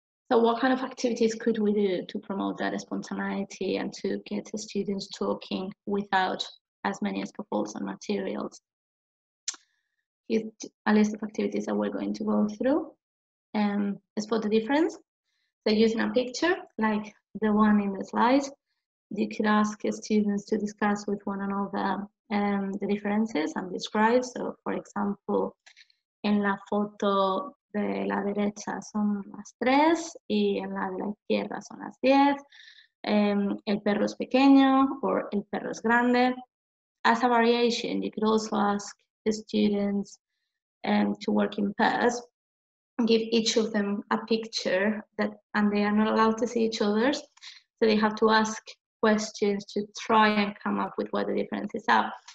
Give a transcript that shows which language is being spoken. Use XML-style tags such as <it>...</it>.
<en>So what kind of activities could we do to promote that spontaneity and to get the students talking without as many scaffolds and materials? Here's a list of activities that we're going to go through. Spot the difference. So using a picture like the one in the slide, you could ask students to discuss with one another the differences and describe. So for example,</en> <es>en la foto de la derecha son las 3 y en la de la izquierda son las 10. El perro es pequeño or el perro es grande.</es> <en>As a variation, you could also ask the students to work in pairs, give each of them a picture that, and they are not allowed to see each other's, so they have to ask questions to try and come up with what the differences are.</en>